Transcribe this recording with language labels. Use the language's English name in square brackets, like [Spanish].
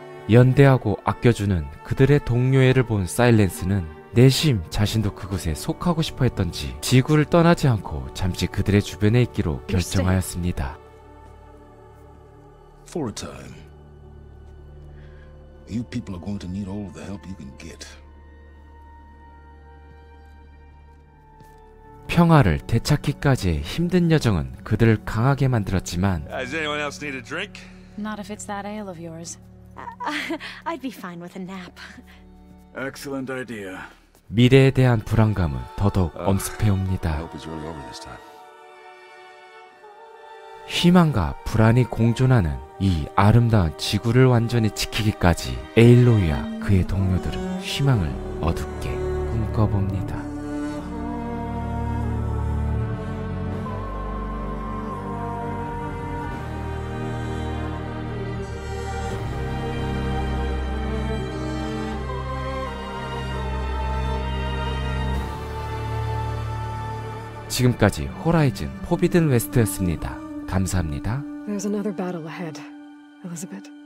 [Korean] 연대하고 아껴주는 그들의 동료애를 본 사일렌스는 내심 자신도 그곳에 속하고 싶어 했던지 지구를 떠나지 않고 잠시 그들의 주변에 있기로 결정하였습니다. [English] For a time, you people are going to need all the help you can get. [Korean] 평화를 되찾기까지의 힘든 여정은 그들을 강하게 만들었지만 [English] Does anyone else need a drink? Not if it's that ale of yours. I'd be fine with a nap. Excellent idea. [Korean] 미래에 대한 불안감은 더더욱 엄습해옵니다. [English] I hope it's really over this time. [Korean] 희망과 불안이 공존하는 이 아름다운 지구를 완전히 지키기까지 에일로이와 그의 동료들은 희망을 어둡게 꿈꿔봅니다. 지금까지 호라이즌 포비든 웨스트였습니다. 감사합니다. [English] There's another battle ahead, Elizabeth.